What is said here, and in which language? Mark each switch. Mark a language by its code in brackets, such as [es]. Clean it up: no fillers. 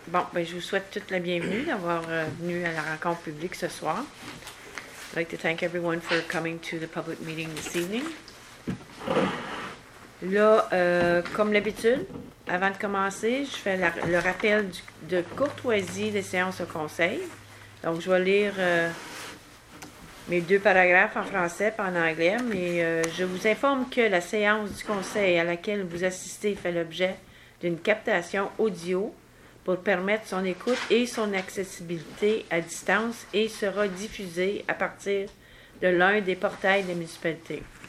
[fr] Bon, ben, je vous souhaite toute la bienvenue d'avoir venu à la rencontre publique ce soir. [en] I'd like to thank everyone for coming to the public meeting this evening. [fr] Là, comme d'habitude, avant de commencer, je fais le rappel de courtoisie des séances au conseil. Donc, je vais lire mes deux paragraphes en français et en anglais, mais je vous informe que la séance du conseil à laquelle vous assistez fait l'objet d'une captation audio pour permettre son écoute et son accessibilité à distance et sera diffusée à partir de l'un des portails des municipalités.